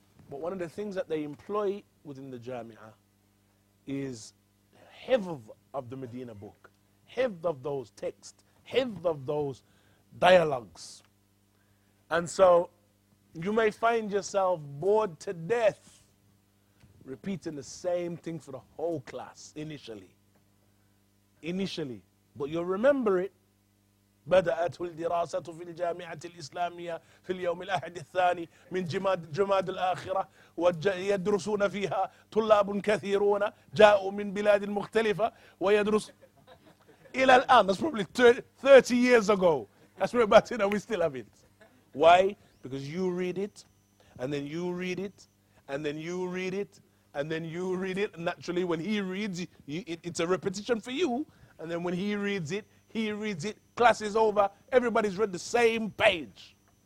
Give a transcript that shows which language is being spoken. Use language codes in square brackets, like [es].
[en] But one of the things that they employ within the Jami'a is hifz of the Medina book, hifz of those texts, hifz of those dialogues. And so you may find yourself bored to death repeating the same thing for the whole class initially. But you'll remember it. [ar] بدأت الدراسة في الجامعة الإسلامية في اليوم الأحد الثاني من جماد الآخرة ويدرسون فيها طلاب كثيرون جاءوا من بلاد مختلفة ويدرس إلى الآن. [en] That's probably 30 years ago. That's where about it, and we still have it. Why? Because you read it, and then you read it, and then you read it, and then you read it. And naturally, when he reads, it's a repetition for you. And then when he reads it, class is over, everybody's read the same page.